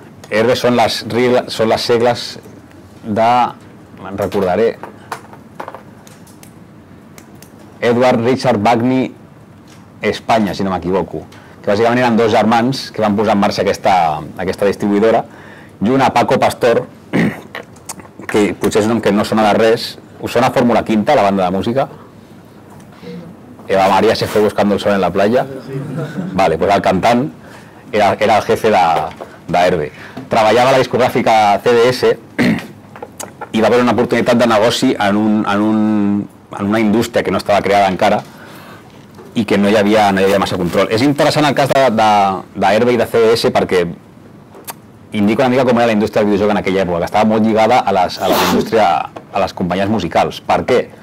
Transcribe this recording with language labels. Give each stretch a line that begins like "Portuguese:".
Catalan: Herbe són les segles de, me'n recordaré, Edward Richard Bagni Espanya, si no m'equivoco, que bàsicament eren dos germans que van posar en marxa aquesta distribuïdora, i una, Paco Pastor, que potser és un nom que no sona de res. Us sona Fórmula Quinta, la banda de música?
Spanish: Eva María se fue buscando el sol en la playa. Vale, pues
Catalan: el cantant era el
Spanish: jefe d'Herbe.
Catalan: Treballava a la discogràfica CDS i va haver una oportunitat de negoci en una indústria que no estava creada encara i que no hi havia massa control. És interessant el cas d'Herbe i de CDS perquè indica una mica com era la indústria del videojoc en aquella època, que estava molt lligada a les companyies musicals. Per què?